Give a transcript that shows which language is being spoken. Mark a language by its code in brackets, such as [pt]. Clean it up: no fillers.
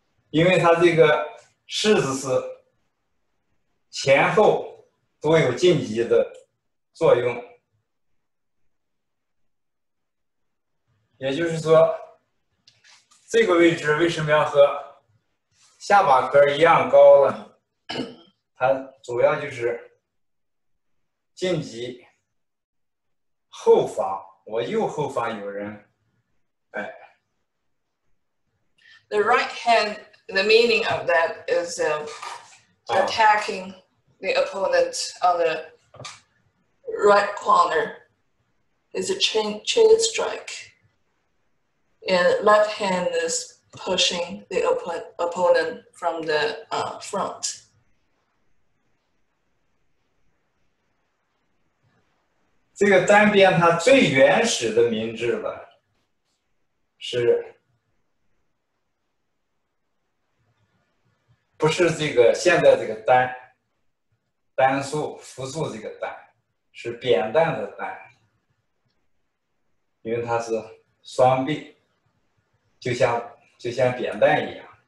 [zh] 因为它这个式子是前后都有进击的作用，也就是说，这个位置为什么要和下巴颏一样高呢？它主要就是进击后方，我右后方有人，哎 [en] ，The right hand。 The meaning of that is attacking the opponent on the right corner. It's a chin strike. And left hand is pushing the opponent from the front. [zh] 这个单边它最原始的名字吧，是。不是这个现在这个单数复数这个单，是扁担的担，因为它是双臂，就像扁担一样。